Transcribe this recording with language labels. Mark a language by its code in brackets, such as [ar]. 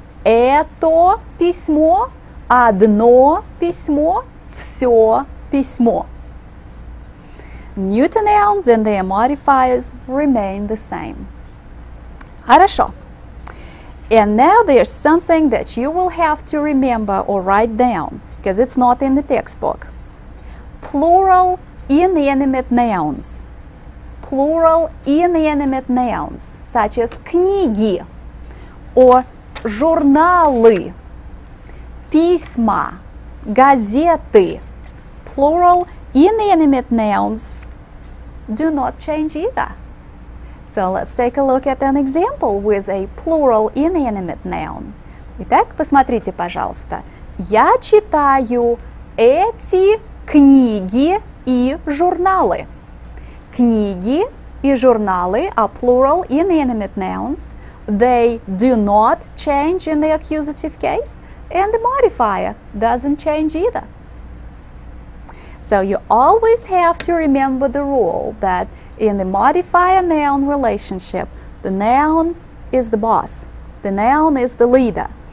[ru] Это письмо, одно письмо, все письмо. [en] Neuter nouns and their modifiers remain the same. [ru] Хорошо. [en] And now there's something that you will have to remember or write down, because it's not in the textbook. Plural inanimate nouns. Plural inanimate nouns, such as книги or журналы, письма, газеты. Plural inanimate nouns do not change either. So let's take a look at an example with a plural inanimate noun. [ru] Итак, посмотрите, пожалуйста. Я читаю эти книги и журналы. Книги и журналы [en] are plural inanimate nouns. They do not change in the accusative case, and the modifier doesn't change either. So you always have to remember the rule that in the modifier-noun relationship, the noun is the boss, the noun is the leader.